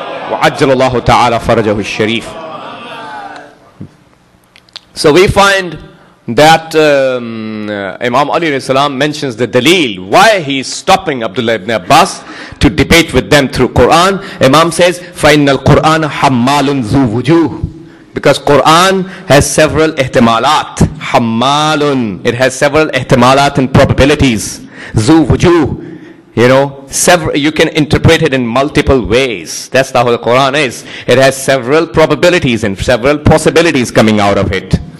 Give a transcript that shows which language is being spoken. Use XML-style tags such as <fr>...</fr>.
<ar>Wa'ajjalallahu ta'ala farajahu sharif.</ar> <en>So we find that Imam Ali alayhi salam mentions the dalil, why he is stopping Abdullah ibn Abbas to debate with them through Quran. Imam says,</en> <ar>فَإِنَّ الْقُرْآنَ حَمَّالٌ ذُو وُجُوهٌ.</ar> <en>Because Quran has several ihtimalat.</en> <ar>حَمَّالٌ.</ar> <en>It has several ihtimalat and probabilities.</en> <ar>ذُو وُجُوهٌ.</ar> <en>You know, you can interpret it in multiple ways. That's how the Quran is. It has several probabilities and several possibilities coming out of it.</en>